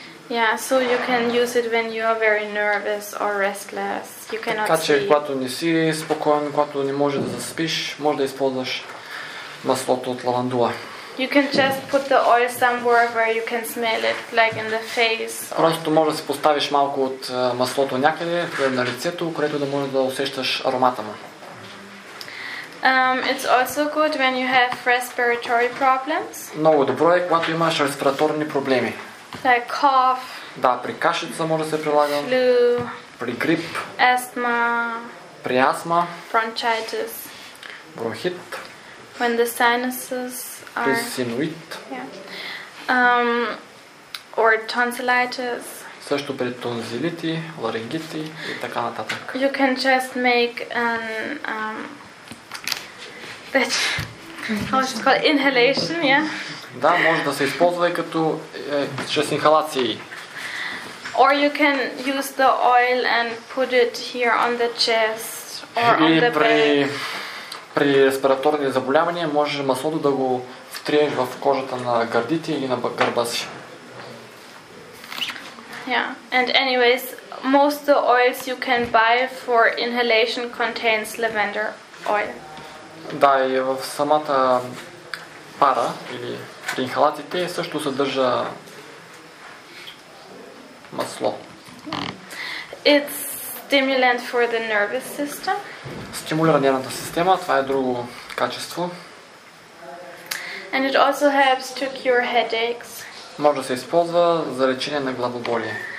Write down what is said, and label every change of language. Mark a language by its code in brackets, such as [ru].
[en] Yeah, so you can use it when you are very nervous or restless. You cannot sleep. [bg] Така че, когато не си спокоен, когато не можеш да заспиш, може да използваш маслото от лавандула. [en] You can just put the oil somewhere where you can smell it, like in the face. [bg] Просто може да си поставиш малко от маслото някъде, на лицето, където да можеш да усещаш аромата му. [en] It's also good when you have respiratory problems. [bg] Много добро е, когато имаш респираторни проблеми. [en] Like cough. [bg] Да, при кашлица може да се прилага. [en] Flu. [bg] При грип. [en] Asthma. [bg] При астма. [en] Bronchitis. [bg] Бронхит. [en] When the sinuses are. [bg] При синуит. [en] Yeah. Or tonsillitis. [bg] Също при тонзилити, ларингити и така нататък. [en] You can just make an that how is it called? Inhalation, yeah. [bg] Да, може да се използва и като чрез инхалации. [en] Or you can use the oil and put it here on the chest or [bg] и [en] on the [bg] при, при респираторни заболявания може маслото да го втриеш в кожата на гърдите и на гърба си. [en] Yeah. And anyways, most of the oils you can buy for inhalation contains lavender oil. [bg] Да, и в самата пара или при инхалатите също съдържа масло. [en] It's stimulant for the nervous system. [bg] Стимулира нервната система, това е друго качество. [en] And it also helps to cure headaches. [bg] Може да се използва за лечение на главоболие.